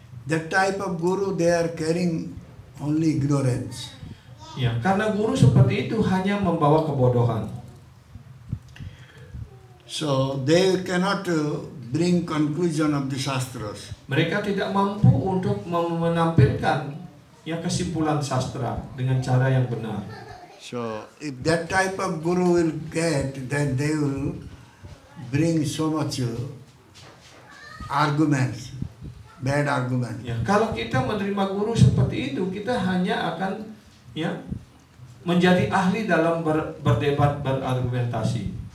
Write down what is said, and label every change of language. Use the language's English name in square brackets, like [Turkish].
[English] That type of guru, they are carrying only ignorance. [Indonesian] Ya, karena guru seperti itu hanya membawa kebodohan. [English] So they cannot bring conclusion of the sastras. [Indonesian] Mereka tidak mampu untuk menampilkan yang kesimpulan sastra dengan cara yang benar. [English] So if that type of guru will get, then they will bring so much arguments, bad arguments. [Indonesian] Ya, kalau kita menerima guru seperti itu, kita hanya akan ya menjadi ahli dalam berdebat, berargumentasi.